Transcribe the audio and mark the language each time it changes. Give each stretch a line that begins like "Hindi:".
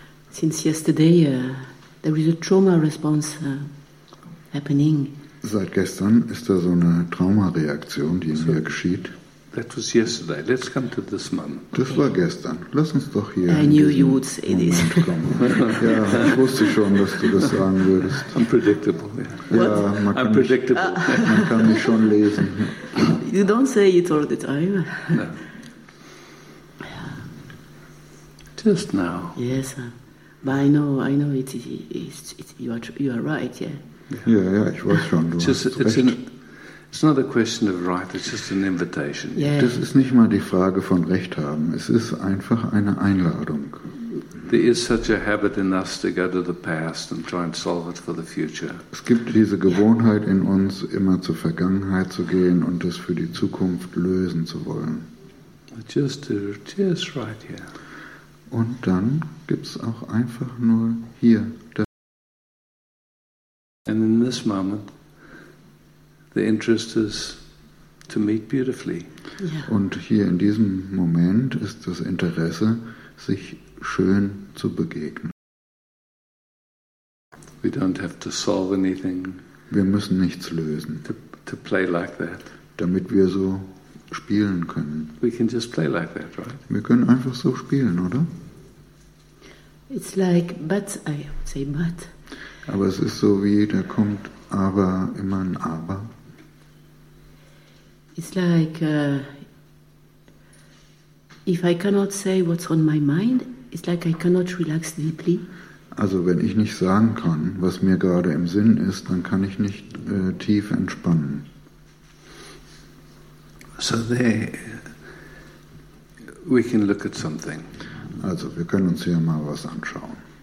English: Since yesterday, there is a trauma response happening.
German: Seit gestern ist da so eine Traumareaktion, die mir geschieht.
English: That was yesterday. Let's come to this moment.
German: Das war gestern. Lass uns doch hier
English: I knew you would say this.
German: Ja, ich wusste schon, dass du das sagen würdest.
English: Unpredictable.
German: Ja, man kann,
English: unpredictable.
German: Mich, man kann mich schon lesen.
English: You don't say it all the time. No. Just now. Yes, but I know it's you are right, yeah.
German: Yeah, ich weiß schon, du hast recht.
English: It's not a question of right, it's just an invitation. Yeah.
German: Das ist nicht mal die Frage von Recht haben, es ist einfach eine Einladung.
English: There is such a habit in us to go to the past and try and solve it for the future.
German: Es gibt diese Gewohnheit in uns, immer zur Vergangenheit zu gehen und das für die Zukunft lösen zu wollen.
English: Just right here.
German: Und dann gibt es auch einfach nur hier.
English: And in this moment, the interest is to meet beautifully. Yeah.
German: Und hier in diesem Moment ist das Interesse, sich schön zu begegnen.
English: We don't have to solve anything.
German: Wir müssen nichts lösen.
English: To play like that.
German: Damit wir so spielen können.
English: We can just play like that, right?
German: Wir können einfach so spielen, oder?
English: It's like, but I would say but.
German: Aber es ist so wie, da kommt aber immer ein Aber.
English: It's like if I cannot say what's on my mind, it's like I cannot relax deeply.
German: Also wenn ich nicht sagen kann, was mir gerade im Sinn ist, dann kann ich nicht tief entspannen.
English: So there, we can look at something.
German: Also wir können uns hier mal was anschauen.